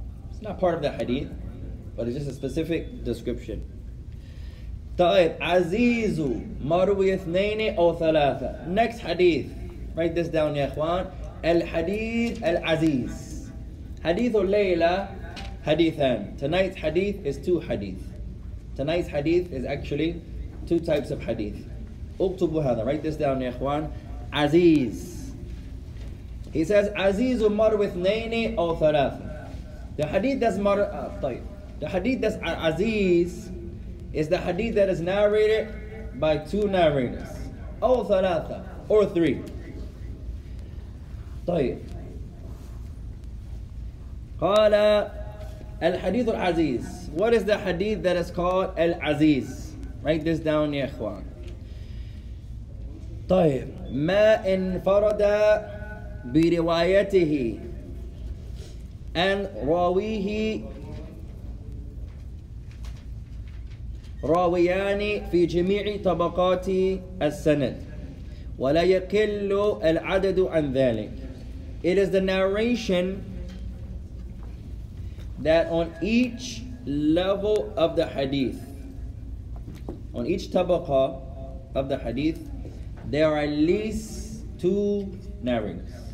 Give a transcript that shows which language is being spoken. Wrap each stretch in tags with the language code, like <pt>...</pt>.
<en>It's not part of the hadith, but it's just a specific description.</en> <ar>طيب عزيز مروي اثنين أو ثلاثة.</ar> <en>Next hadith. Write this down,</en> <ar>يا إخوان. الحديث العزيز. حديث الليلة حديثان.</ar> <en>Tonight's hadith is 2 hadith. Tonight's hadith is actually 2 types of hadith.</en> <ar>Uktubu hadha.</ar> <en>Write this down, ya ikhwan. Aziz. He says,</en> <ar>Azizu marwith naini aw thalatha.</ar> <en>The hadith that's aziz is the hadith that is narrated by 2 narrators.</en> <ar>Aw thalatha.</ar> <en>Or 3.</en> <ar>Tayyib. Qala al-hadith al-aziz.</ar> <en>What is the hadith that is called Al-Aziz? Write this down, ya ikhwan.</en> <ar>طيب ما انفرد بروايته أن راويه راويان في جميع طبقات السند ولا يقل العدد عن ذلك.</ar> <en>It is the narration that on each level of the hadith, on each tabaqa of the hadith, there are at least 2 narrators.</en>